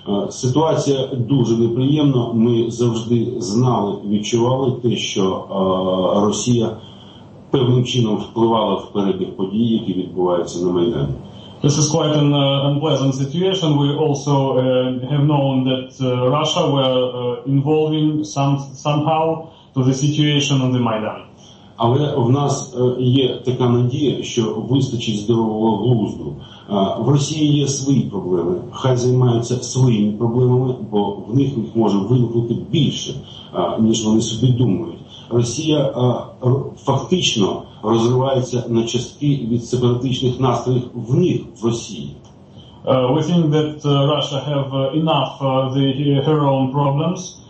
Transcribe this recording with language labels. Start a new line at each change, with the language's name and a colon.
Ukrainian: Ситуація дуже неприємна. Ми завжди знали, відчували те, що Росія певним чином впливала в перебіг подій, які відбуваються на Майдані.
English: This is quite an unpleasant situation. We also have known that Russia were involving somehow to the situation on the Maidan.
Ukrainian: Але в нас є така надія, що вистачить здорового глузду. В Росії є свої проблеми. Хай займаються своїми проблемами, бо в них їх може виникнути більше, ніж вони собі думають. Росія фактично розривається на частки від сепаратичних настроїв в них, в Росії.
English: We think that Russia have enough her own problems.